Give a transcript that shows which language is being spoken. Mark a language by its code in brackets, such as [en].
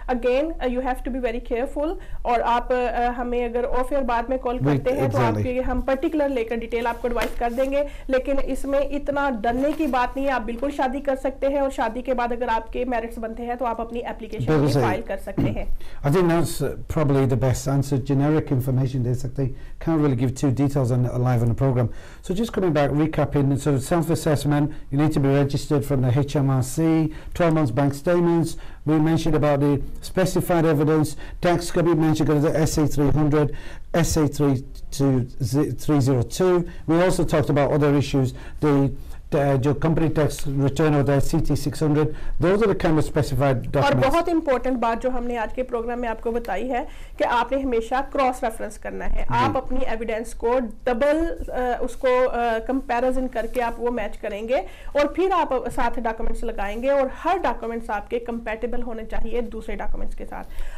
[en] Again you have to be very careful. [hi] और आप हमें अगर ऑफ एयर बाद में कॉल करते हैं तो आपके हम पर्टिकुलर लेकर डिटेल आपको एडवाइस कर देंगे, लेकिन इसमें इतना डरने की बात नहीं है. आप बिल्कुल शादी कर सकते हैं और शादी के बाद अगर आपके मेरिट्स बनते हैं तो आप अपनी एप्लीकेशन फाइल कर सकते हैं. [en] I think that's probably the best answer. Generic information [hi] दे सकते हैं. [en] Can't really give two details on live on the program. So just coming back, recapping. So self-assessment, you need to be registered from the HMRC, 12 months bank statements. We mentioned about the specified evidence. Tax could be mentioned, got the SA300, SA302. We also talked about other issues. [hi] जो company tax return होता है [en] CT 600, those are the kind of specified documents. [hi] और बहुत important बात जो हमने आज के प्रोग्राम में आपको बताई है कि आपने हमेशा क्रॉस रेफरेंस करना है. आप अपनी एविडेंस को डबल उसको कंपैरिजन करके आप वो मैच करेंगे और फिर आप साथ डॉक्यूमेंट्स लगाएंगे और हर डॉक्यूमेंट्स आपके कंपेटेबल होने चाहिए दूसरे डॉक्यूमेंट्स के साथ.